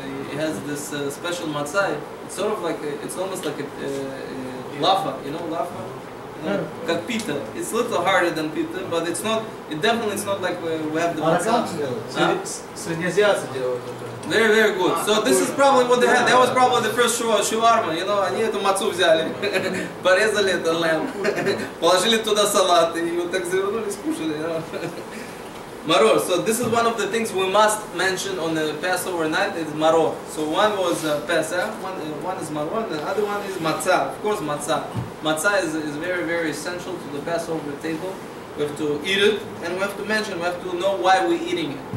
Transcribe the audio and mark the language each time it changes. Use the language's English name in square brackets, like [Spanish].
[English] He has this special matzah. It's sort of like, it's almost like a lafa, you know, lafa. got pita. It's a little harder than pita, but it's not. It definitely is not like we have the matzah. Very, very good. So this is probably what they had. That was probably the first shawarma. You know, [Russian] они эту мацу взяли, порезали это лэм, положили туда салат и вот так завернулись, кушали. [English] Maror. So this is one of the things we must mention on the Passover night is maror. So one was Pesach, one is maror, and the other one is matzah. Of course, matzah. Matzah is very, very essential to the Passover table. We have to eat it, and we have to mention, we have to know why we're eating it.